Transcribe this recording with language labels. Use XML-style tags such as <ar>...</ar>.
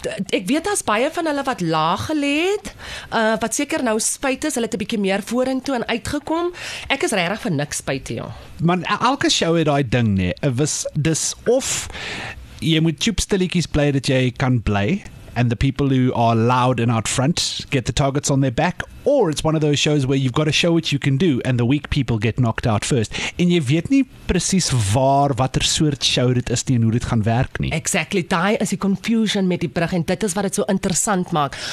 <af>Ek weet as baie van hulle wat laag gelê het, wat seker nou spyt is, hulle het 'n bietjie meer vorentoe en uit kom, ek is regtig van niks spyt hier. Man, elke show het daai ding nie, dis of jy moet tjoepstilliekies bly dat jy kan bly,</af> <en>and the people who are loud and out front get the targets on their back, or it's one of those shows where you've got to show what you can do, and the weak people get knocked out first.</en> <af>En jy weet nie precies waar, wat soort show dit is nie, en hoe dit gaan werk nie. Exactly, die is die confusion met die brug, en dit is wat het so interessant maak.</af>